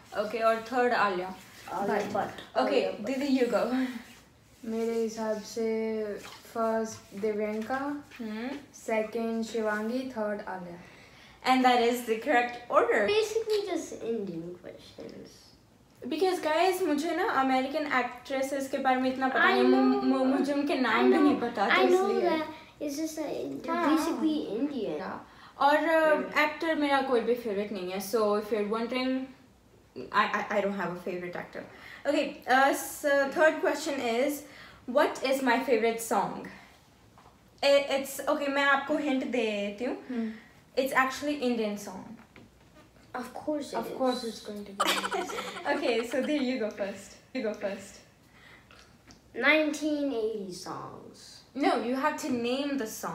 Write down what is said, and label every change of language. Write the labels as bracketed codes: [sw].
[en] Okay, or third, Alia. Okay, Didi, you go. [hi] Mere hisab se first, Divyanka. [en] Second, Shivangi. Third, Alia. And that is the correct order. Basically, just ending questions. Because guys, [hi] मुझे ना American actresses के बारे में इतना पता नहीं, मुझे उनके नाम भी नहीं पता, [en] इसलिए. I know that it's just that basically Indian. [hi] और actor मेरा कोई भी favorite नहीं है, [en] so if you're wondering, I don't have a favorite actor. Okay, so third question is, what is my favorite song? It's okay. [hi] मैं आपको hint दे देती हूँ. [en] It's actually Indian song. Of course it is. Of course it's going to be. Okay, so Dheer, you go first. You go first. 1980 songs. No, you have to name the song.